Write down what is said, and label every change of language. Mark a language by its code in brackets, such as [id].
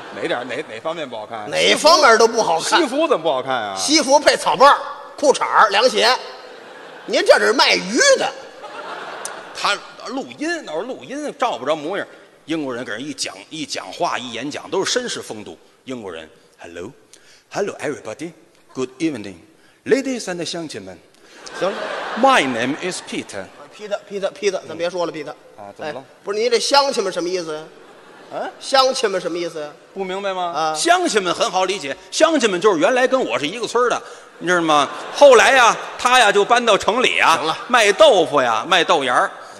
[zh] 哪点哪方面不好看？哪方面都不好看。西服怎么不好看啊？西服配草帽、裤衩、凉鞋，您这是卖鱼的？他录音，那时候录音照不着模样。英国人给人一讲话一演讲都是绅士风度。 [en] 英国人 ，Hello everybody， good evening， ladies and 乡亲们， [zh] 行 [en] ，My name is Peter。 [zh] Peter， 咱别说了 ，Peter。啊，怎么了？哎、不是您这乡亲们什么意思呀？乡亲们什么意思呀？不明白吗？啊，乡亲们很好理解，乡亲们就是原来跟我是一个村的，你知道吗？后来呀，他呀就搬到城里啊，卖豆腐呀，卖豆芽儿。